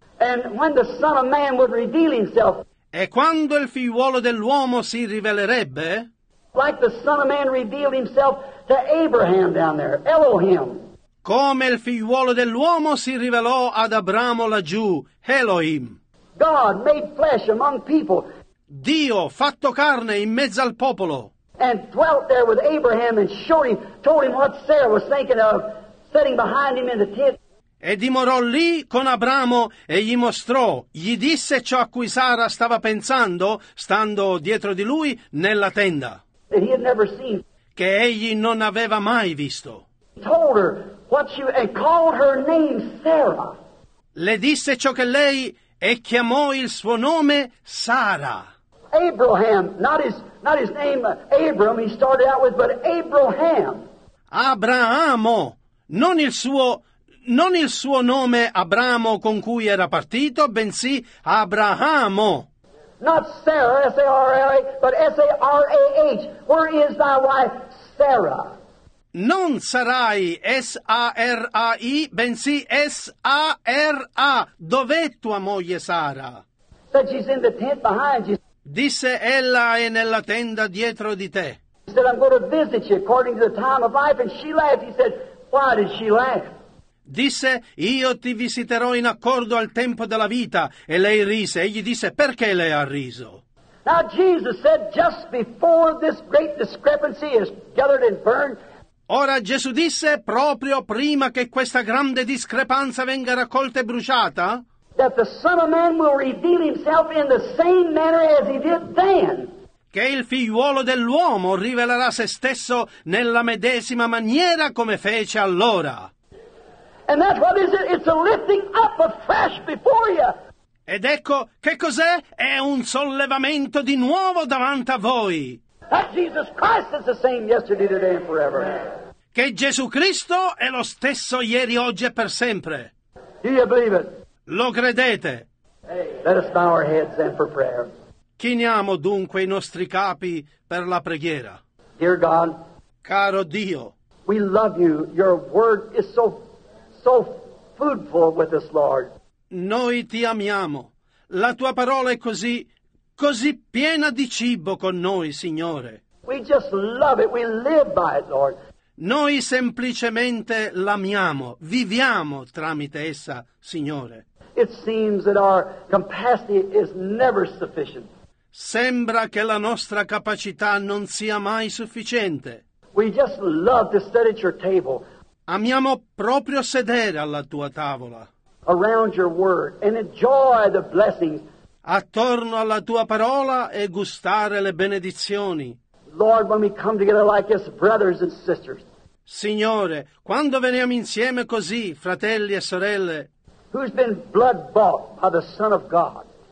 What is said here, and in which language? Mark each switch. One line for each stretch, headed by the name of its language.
English: And when the Son of Man would reveal himself,
Italian: e quando il figliuolo dell'uomo si rivelerebbe,
English: like the Son of Man revealed himself to Abraham down there, Elohim.
Italian: Come il figliuolo dell'uomo si rivelò ad Abramo laggiù, Elohim.
English: God made flesh among people.
Italian: Dio fatto carne in mezzo al popolo.
English: And dwelt there with Abraham and showed him, told him what Sarah was thinking of, sitting behind him in the tent.
Italian: E dimorò lì con Abramo e gli mostrò, gli disse ciò a cui Sara stava pensando, stando dietro di lui nella tenda.
English: That he had never seen.
Italian: Che egli non aveva mai visto.
English: Told her what she, and called her name Sarah.
Italian: Le disse ciò che lei e chiamò il suo nome Sara.
English: Abraham, not his name Abram, he started out with, but Abraham.
Italian: Abramo, non il suo nome Abramo con cui era partito, bensì Abrahamo.
English: Not Sarah, S-A-R-A-H, but S-A-R-A-H. Where is thy wife, Sarah?
Italian: Non Sarai, S-A-R-A-I, bensì S-A-R-A. Dov'è tua moglie Sara?
English: Said she's in the tent behind you.
Italian: Disse ella è nella tenda dietro di te.
English: He said, I'm going to visit you according to the time of life. And she laughed. He said, why did she laugh?
Italian: Disse, io ti visiterò in accordo al tempo della vita. E lei rise. Egli disse, perché lei ha riso?
English: Now Jesus said, just before this great discrepancy is gathered and burned.
Italian: Ora Gesù disse, proprio prima che questa grande discrepanza venga raccolta e bruciata,
English: that the Son of Man will reveal himself in the same manner as he did then.
Italian: Che il figliuolo dell'uomo rivelerà se stesso nella medesima maniera come fece allora.
English: And that's what is it? It's a lifting up afresh before you.
Italian: Ed ecco, che cos'è? È un sollevamento di nuovo davanti a voi.
English: That Jesus Christ is the same yesterday, today and forever.
Italian: Che Gesù Cristo è lo stesso ieri, oggi e per sempre.
English: Do you believe it?
Italian: Lo credete?
English: Hey, let us bow our heads then for prayer.
Italian: Chiniamo dunque i nostri capi per la preghiera.
English: Dear God,
Italian: caro Dio,
English: we love you. Your word is so foodful with us, Lord.
Italian: Noi ti amiamo. La tua parola è così piena di cibo con noi, Signore.
English: We just love it. We live by it, Lord.
Italian: Noi semplicemente l'amiamo, viviamo tramite essa, Signore.
English: It seems that our capacity is never sufficient.
Italian: Sembra che la nostra capacità non sia mai sufficiente.
English: We just love to sit at your table.
Italian: Amiamo proprio sedere alla tua tavola.
English: Around your word and enjoy the blessings.
Italian: Attorno alla tua parola e gustare le benedizioni.
English: Lord, when we come together like this, brothers and sisters.
Italian: Signore, quando veniamo insieme così, fratelli e sorelle,
English: who's been blood bought by the Son of God?